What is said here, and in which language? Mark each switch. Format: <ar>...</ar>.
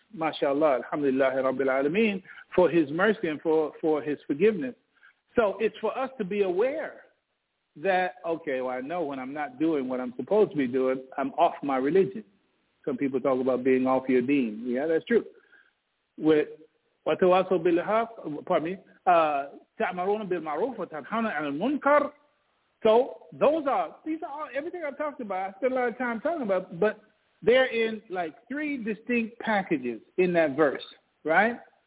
<ar>MashaAllah, Alhamdulillah, Rabbil Alameen,</ar> <en>for his mercy and for his forgiveness. So it's for us to be aware that, okay, well, I know when I'm not doing what I'm supposed to be doing, I'm off my religion. Some people talk about being off your deen. Yeah, that's true. With</en> <ar>وَتَوَاسُوا بِالْحَقِّ,</ar> <en>pardon me,</en> <ar>تَعْمَرُونَ بِالْمَعْرُوفَ وَتَنْحَوْنَ عَنِ الْمُنْكَرِ.</ar> <en>So these are all, everything I've talked about, I spent a lot of time talking about, but they're in like three distinct packages in that verse, right?</en>